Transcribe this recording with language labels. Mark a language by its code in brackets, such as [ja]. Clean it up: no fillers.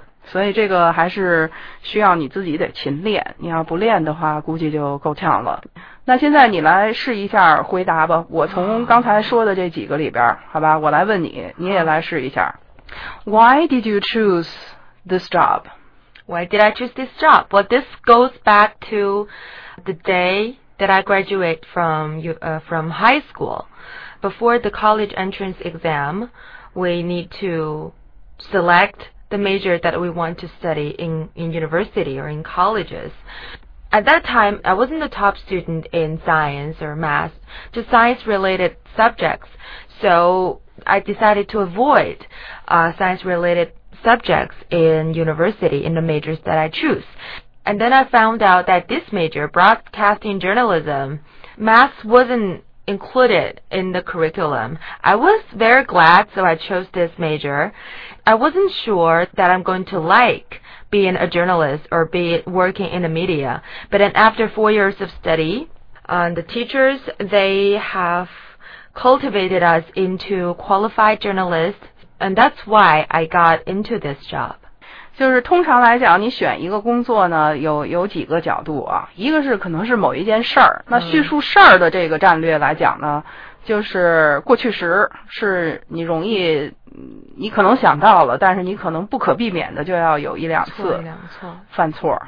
[zh] 所以这个还是需要你自己得勤练，你要不练的话估计就够呛了。那现在你来试一下回答吧，我从刚才说的这几个里边，好吧，我来问你，你也来试一下。 [en] Why did you choose this job? Why did I choose this job? Well, this goes back to the day that I graduated from high school. Before the college entrance exam, we need to select the major that we want to study in university or in colleges. At that time, I wasn't the top student in science or math, just science-related subjects. So I decided to avoid science-related subjects in university, in the majors that I choose. And then I found out that this major, broadcasting journalism, math wasn't included in the curriculum. I was very glad, so I chose this major. I wasn't sure that I'm going to like being a journalist or be working in the media. But then after 4 years of study, the teachers, they have cultivated us into qualified journalists, and that's why I got into this job. [zh] 就是通常来讲，你选一个工作呢，有几个角度啊。一个是可能是某一件事儿，那叙述事儿的这个战略来讲呢，就是过去时是你容易，你可能想到了，但是你可能不可避免的就要有一两次犯错，